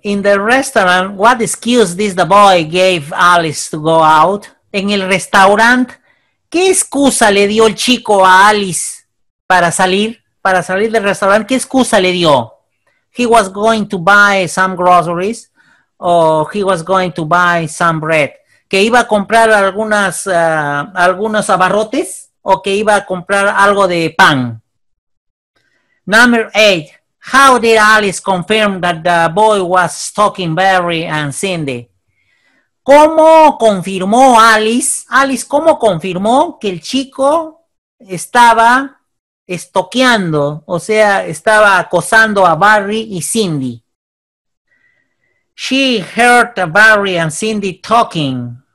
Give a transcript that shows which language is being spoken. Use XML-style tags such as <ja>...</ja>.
<en>In the restaurant, what excuse did the boy give Alice to go out?</en> <es>En el restaurante, ¿qué excusa le dio el chico a Alice para salir? Para salir del restaurante, ¿qué excusa le dio?</es> <en>He was going to buy some groceries or he was going to buy some bread.</en> <es>¿Que iba a comprar algunos abarrotes o que iba a comprar algo de pan?</es> <en>Number 8. How did Alice confirm that the boy was stalking Barry and Cindy?</en> <es>¿Cómo confirmó Alice, cómo confirmó que el chico estaba estoqueando, o sea, estaba acosando a Barry y Cindy?</es> <en>She heard Barry and Cindy talking.</en>